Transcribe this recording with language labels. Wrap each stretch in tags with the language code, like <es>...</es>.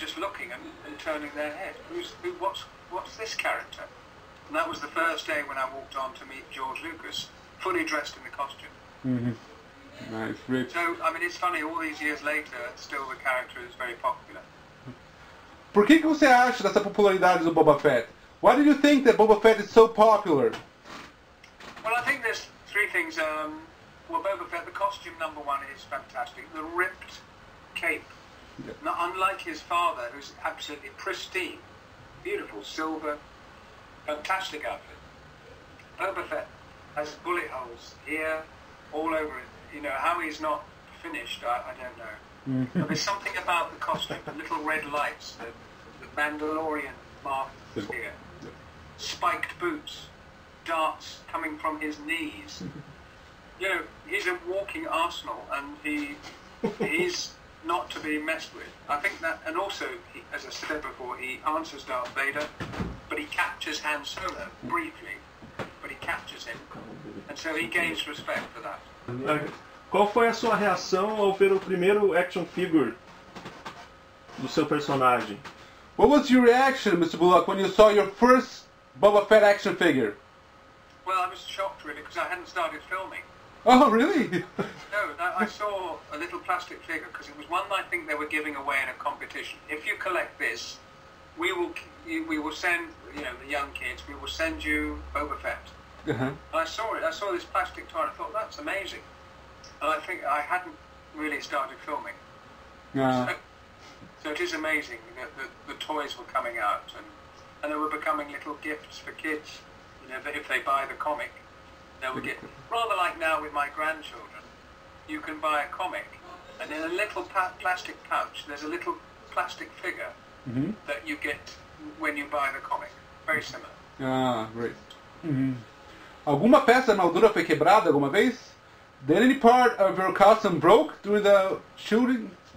<en>just looking and turning their head. What's this character? And that was the first day when I walked on to meet George Lucas, fully dressed in the costume. Mm-hmm. Nice, Rich. So, I mean, it's funny, all these years later, still the character is very popular.</en> <pt>Por que você acha dessa popularidade do Boba Fett?</pt> <en>Why do you think that Boba Fett is so popular? Well, I think there's three things. Well, Boba Fett, the costume, number one, is fantastic. The ripped cape. Yeah. Now, unlike his father, who's absolutely pristine, beautiful, silver, fantastic outfit. Boba Fett has bullet holes here, all over it. You know, how he's not finished, I don't know. But there's something about the costume, the little red lights, the Mandalorian markers here, spiked boots, darts coming from his knees. You know, he's a walking arsenal, and he's not to be messed with. I think that, and also, he, as I said before, he answers Darth Vader, but he captures Han Solo briefly, but he captures him, and so he gains respect for that.</en> <pt>Qual foi a sua reação ao ver o primeiro action figure do seu personagem?</pt> <en>What was your reaction, Mr. Bullock, when you saw your first Boba Fett action figure? Well, I was shocked, really, because I hadn't started filming. Oh, really? No, I saw a little plastic figure, because it was one I think they were giving away in a competition. If you collect this, we will send, you know, the young kids, we will send you Boba Fett. Uh-huh. I saw it. I saw this plastic toy, and I thought, that's amazing. I think I hadn't really started filming. Yeah. So it is amazing that the toys were coming out and they were becoming little gifts for kids. You know, if they buy the comic, they would get, rather like now with my grandchildren, you can buy a comic and in a little plastic pouch, there's a little plastic figure mm-hmm. that you get when you buy the comic. Very similar. Ah, great. Mm-hmm.</en> <pt>Alguma peça na altura foi quebrada alguma vez?</pt> <en>Did any part of your costume broke during the shooting?</en>